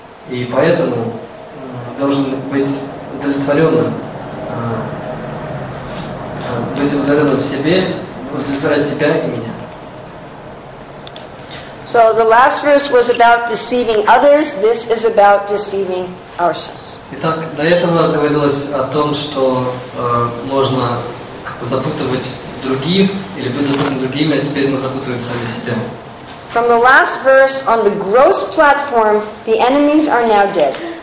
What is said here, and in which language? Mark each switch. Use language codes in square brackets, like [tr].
[ru] И поэтому должен быть удовлетворенным, в себе, удовлетворять себя и меня. [en] So the last verse was about deceiving others. This is about deceiving ourselves. [ru] Итак, до этого говорилось о том, что можно как бы запутывать других или быть запутанным другими, а теперь мы запутываем сами себя. [en] From the last verse on the gross platform, the enemies are now dead.